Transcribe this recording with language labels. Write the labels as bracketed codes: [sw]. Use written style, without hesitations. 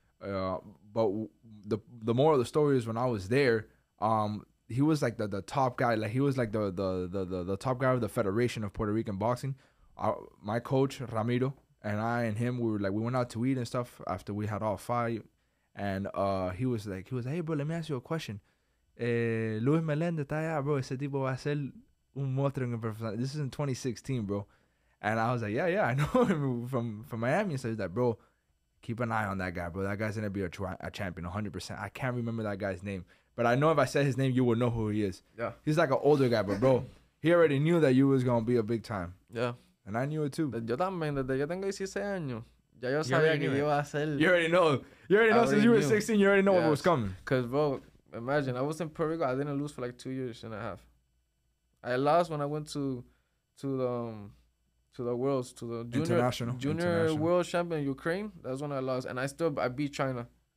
[en] But the moral of the story is when I was there, he was like the top guy. Like he was like the top guy of the Federation of Puerto Rican Boxing. My coach, Ramiro. And I and him, we went out to eat and stuff after we had our fight. And he was like, hey, bro, let me ask you a question. [es] Luis Melendez está allá, bro. Ese tipo va a ser un monstruo en el profesional. [en] This is in 2016, bro. And I was like, yeah, I know him from Miami. And so he's like, bro, keep an eye on that guy, bro. That guy's going to be a champion, 100%. I can't remember that guy's name. But I know if I said his name, you would know who he is. Yeah. He's like an older guy, but bro, he already knew that you was going to be a big time. Yeah. And I knew it too. [es] Yo también, desde que tengo 16 años, ya yo sabía que iba a hacer. [en] You already know. Since you were 16, you already know what was coming. Because, bro, imagine, I was in Puerto Rico. I didn't lose for like 2.5 years. I lost when I went to the Worlds, to the Junior International. World Champion in Ukraine. That's when I lost. And I beat China.